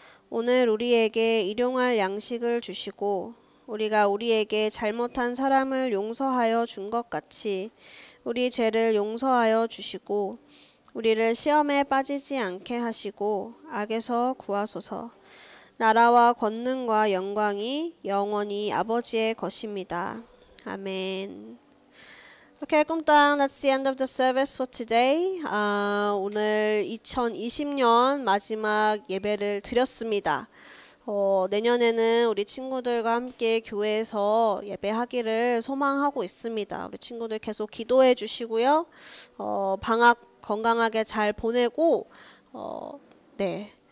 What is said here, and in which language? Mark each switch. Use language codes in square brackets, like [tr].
[ko] 오늘 우리에게 일용할 양식을 주시고, 우리가 우리에게 잘못한 사람을 용서하여 준것 같이, 우리 죄를 용서하여 주시고, 우리를 시험에 빠지지 않게 하시고, 악에서 구하소서. 나라와 권능과 영광이 영원히 아버지의 것입니다. 아멘. [en] Okay, 꿈땅, that's the end of the service for today. [ko] 오늘 2020년 마지막 예배를 드렸습니다. 내년에는 우리 친구들과 함께 교회에서 예배하기를 소망하고 있습니다. 우리 친구들 계속 기도해 주시고요. 방학 건강하게 잘 보내고, 네.